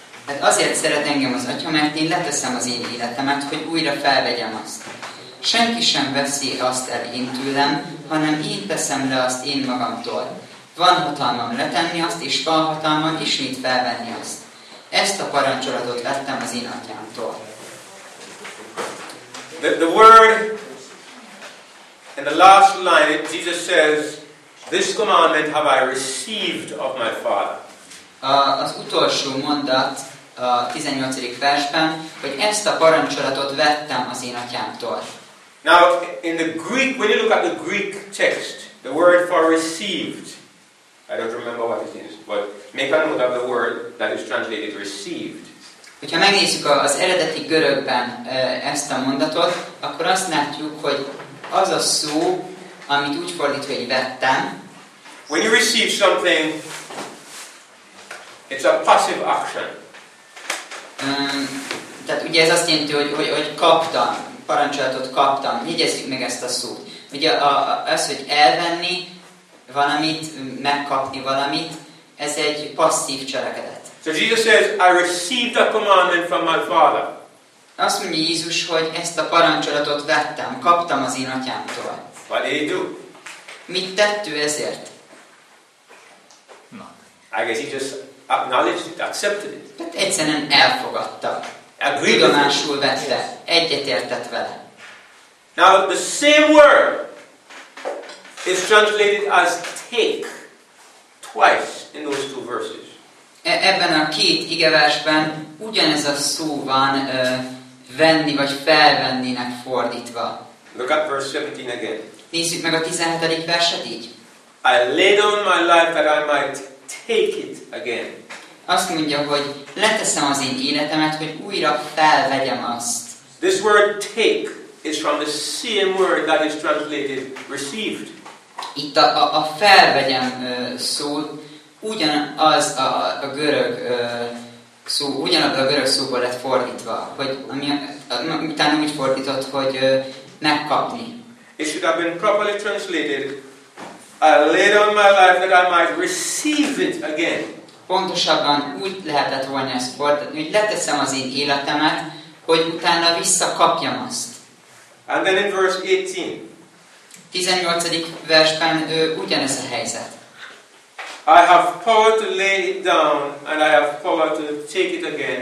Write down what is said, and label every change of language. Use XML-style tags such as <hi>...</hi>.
<hu>Hát azért szeret engem az Atya, mert én leteszem az én életemet, hogy újra felvegyem azt. Senki sem veszi azt el én tőlem, hanem én teszem le azt én magamtól. Van hatalmam letenni azt, és van hatalmam ismét felvenni azt. Ezt a parancsolatot vettem az én Atyámtól.</hu> <en>The word in the last line, Jesus says, this commandment have I received of my Father.</en> <hu>Az utolsó mondat a 18. versben, hogy ezt a parancsolatot vettem az én Atyámtól.</hu> <en>Now, in the Greek, when you look at the Greek text, the word for received, I don't remember what it is, but make a note of the word that is translated received.</en> <hu>Hogyha megnézzük az eredeti görögben ezt a mondatot, akkor azt látjuk, hogy az a szó, amit úgy fordítva, hogy vettem.</hu> <en>When you receive something, it's a passive action.</en> <hu>Tehát ugye ez azt jelenti, hogy kaptam, parancsolatot kaptam. Jegyezzük meg ezt a szót. Ugye az, hogy elvenni valamit, megkapni valamit, ez egy passzív cselekedet.</hu> <en>So Jesus says, I received a commandment from my Father.</en> <hu>Azt mondja Jézus, hogy ezt a parancsolatot vettem, kaptam az én Atyámtól.</hu> <en>What did he do?</en> <hu>Mit tett ő ezért?</hu> <en>I guess he just acknowledged it, accepted it.</en> <hu>Tehát egyszerűen elfogadta.</hu> <en>Agreed.</en> <hu>Tudomásul vette, yes. Egyetértett vele.</hu> <en>Now the same word is translated as take twice in those two verses.</en> <hu>Ebben a két igeversben ugyanez a szó van venni vagy felvennének fordítva.</hu> <en>Look at verse 17 again.</en> <hu>Nézzük meg a 17. verset így.</hu> <en>I lay down my life that I might take it again.</en> <hu>Azt mondja, hogy leteszem az én életemet, hogy újra felvegyem azt.</hu> <en>This word take is from the same word that is translated received.</en> <hu>Itt a felvegyem szó ugyanaz a görög szó, ugyanaz a görög szóból lett fordítva, hogy utána úgy fordított, hogy megkapni.</hu> <en>It should have been properly translated, I laid on my life that I might receive it again.</en> <hu>Pontosabban úgy lehetett volna ezt fordítani, hogy leteszem az én életemet, hogy utána visszakapjam azt.</hu> <en>And then in verse 18.</en> <hu>18. versben ugyanez a helyzet.</hu> <en>I have power to lay it down and I have power to take it again.</en>